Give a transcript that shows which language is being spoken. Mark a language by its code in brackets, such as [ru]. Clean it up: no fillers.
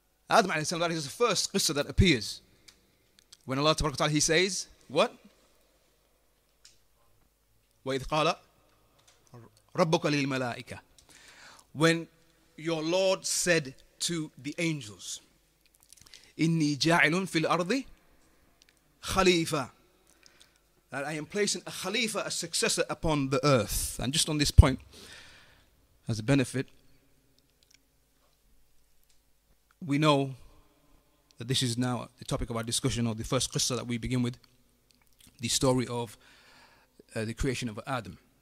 [en] Adam alayhi salam, that is the first qissa that appears. When Allah Ta'ala, he says, what? [ar] وَإِذْ قَالَ رَبُّكَ لِلْمَلَائِكَةِ, [en] when your Lord said to the angels, [ar] إِنِّي جَاعِلٌ فِي الْأَرْضِ خَلِيفَةً, [en] that I am placing a Khalifa, a successor upon the earth. And just on this point, as a benefit, we know that this is now the topic of our discussion, or the first qissa that we begin with, the story of the creation of Adam.